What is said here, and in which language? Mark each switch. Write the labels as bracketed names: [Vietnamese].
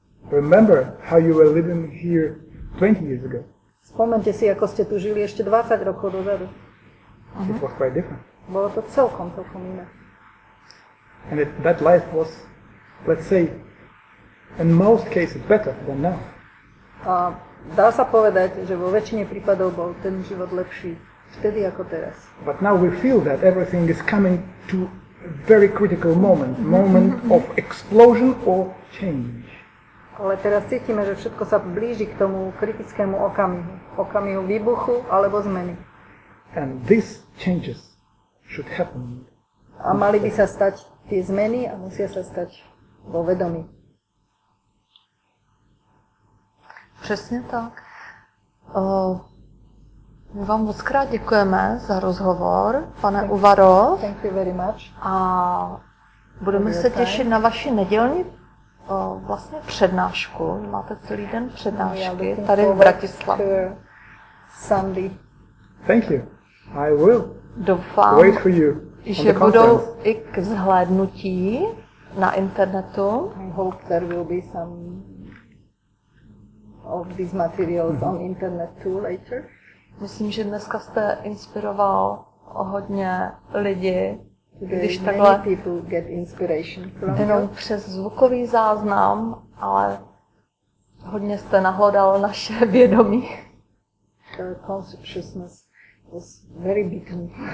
[English] Remember how you were living here 20 years ago. [Slovak] Spomnite si, ako ste tu žili ešte 20 rokov dozadu. [English] It was quite different. [Slovak] Bolo to celkom iné. [English] And that life was, let's say, in most cases better than now. [Slovak] A dá sa povedať, že vo väčšine prípadov bol ten život lepší vtedy ako teraz. [English] But now we feel that everything is coming to a very critical moment, moment of explosion or change. [Slovak] Ale teraz cítime, že všetko sa blíži k tomu kritickému okamihu, okamihu výbuchu alebo zmeny. [English] And these changes should happen. [Slovak] A mali by sa stať tie zmeny a musia sa stať vo vedomí. [Czech] Přesně tak. My vám moc krát děkujeme za rozhovor, pane Uvaro. [English] Thank you very much. [Czech] A budeme se těšit na vaši nedělní vlastně přednášku. Máte celý den přednášky tady v Bratislavě. [English] Sunday. Thank you. I will. [Czech] Doufám, [English] wait for you, [Czech] že budou i k zhlédnutí na internetu. [English] I hope there will be some of these materials on internet too later. [Czech] Myslím, že dneska jste inspiroval hodně lidi, když takhle [English] many people get inspiration from [Czech] jenom [English] you. [Czech] Přes zvukový záznam, ale hodně jste nahlodal naše vědomí. [English] The consciousness was very beaten.